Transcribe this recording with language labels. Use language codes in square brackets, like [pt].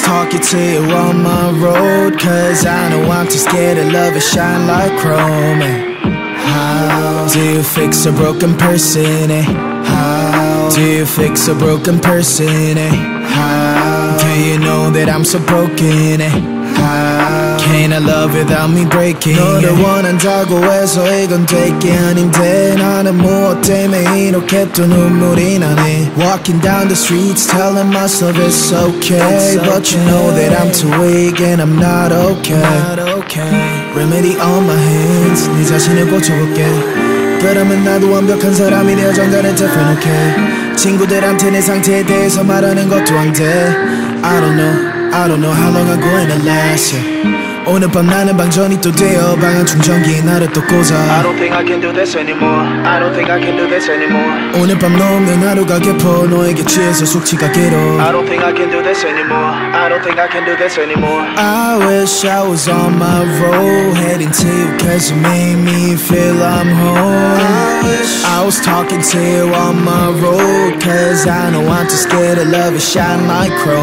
[en] talking to you on my road, cause I know I'm too scared of love, it shine like chrome, eh. Do you fix a broken person, eh? How? Do you fix a broken person, eh? How? Do you know that I'm so broken, eh? How? Can't I love without me breaking? [ko] 너를 원한다고 해서 이건 되게 아닌데 나는 무엇 때문에 이렇게 또 눈물이 나네. [en] Walking down the streets telling myself it's okay, it's but okay. You know that I'm too weak and I'm not okay, not okay. Remedy on my hands, [ko] 네 자신을 고쳐볼게. 그러면 나도 완벽한 사람이 되어 정단을 [en] different, okay. [ko] 친구들한테 내 상태에 대해서 말하는 것도 안 돼. [en] I don't know how long I'm gonna last, yeah. [ko] 오늘 밤 나는 방전이 또 되어 방안 충전기 나를 또 꽂아. [en] I don't think I can do this anymore, I don't think I can do this anymore. [ko] 오늘 밤 넘는 하루가 깊어 너에게 취해서 숙취가 길어. [en] I don't think I can do this anymore, I don't think I can do this anymore. I wish I was on my road, heading to you cause you made me feel I'm home. I was talking to you on my road, cause I know I'm too scared of love, it shine like chrome.